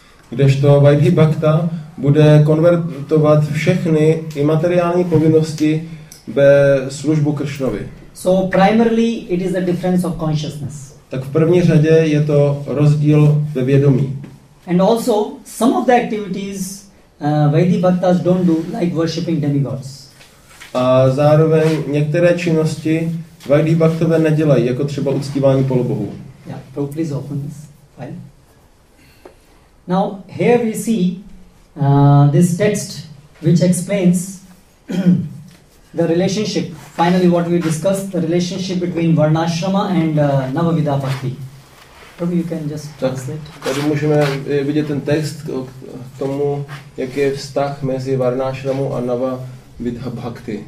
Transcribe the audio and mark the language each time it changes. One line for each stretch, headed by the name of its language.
Czech: Kdežto Vaidhi Bhakta bude konvertovat všechny i materiální povinnosti ve službu Kršnovi.
English: So primarily it is the difference of consciousness.
Czech: Tak v první řadě je to rozdíl ve vědomí.
English: And also some of the activities Vaidhi Bhaktas don't do like worshipping demigods.
Czech: A zároveň některé činnosti Vaidhi Bhaktové nedělají, jako třeba uctívání polobohů.
English: Yeah, so please open this file. Now here we see this text which explains the relationship, finally what we discussed, the relationship between Varnashrama and Navavidha Bhakti. Probably you can just translate.
Czech: Tady můžeme vidět ten text k tomu, jaký je vztah mezi Varnashramu a Navavidha Bhakti.